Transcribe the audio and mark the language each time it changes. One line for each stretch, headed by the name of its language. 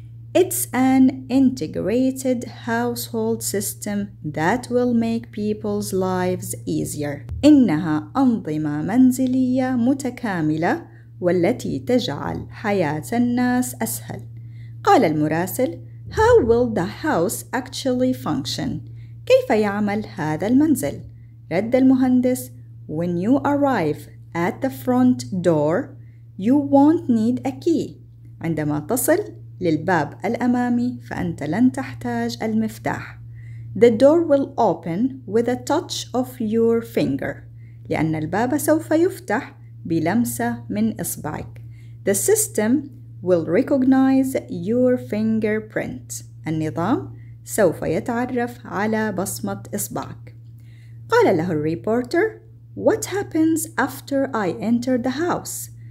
English: It's an integrated household system that will make people's lives easier.
Arabic: إنها أنظمة منزلية متكاملة والتي تجعل حياة الناس أسهل. قال المراسل:
English: How will the house actually function?
Arabic: كيف يعمل هذا المنزل؟ رد المهندس:
English: When you arrive at the front door, you won't need a key.
Arabic: عندما تصل للباب الأمامي فأنت لن تحتاج المفتاح.
English: The door will open with a touch of your finger.
Arabic: لأن الباب سوف يفتح بلمسة من إصبعك.
English: The system will recognize your fingerprint.
Arabic: النظام سوف يتعرف على بصمة إصبعك. قال له الريبورتر:
English: What happens after I enter the house?